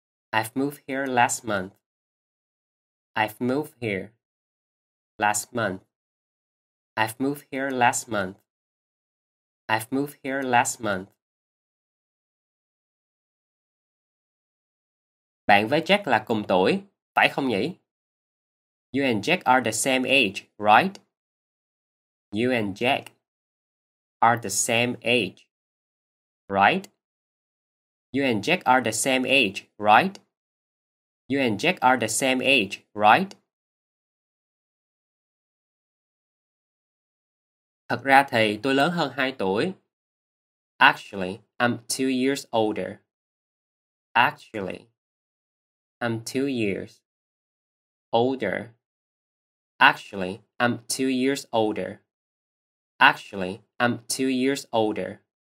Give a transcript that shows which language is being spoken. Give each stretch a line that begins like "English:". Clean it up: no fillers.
English: I've moved here last month. I've moved here last month. I've moved here last month. I've moved here last month.
Vietnamese: Bạn với Jack là cùng tuổi, phải không nhỉ?
English: You and Jack are the same age, right? You and Jack are the same age, right? You and Jack are the same age, right? You and Jack are the same age, right?
Vietnamese: Thật ra thì tôi lớn hơn 2 tuổi.
English: Actually, I'm 2 years older. Actually, I'm 2 years older. Actually, I'm 2 years older. Actually, I'm 2 years older.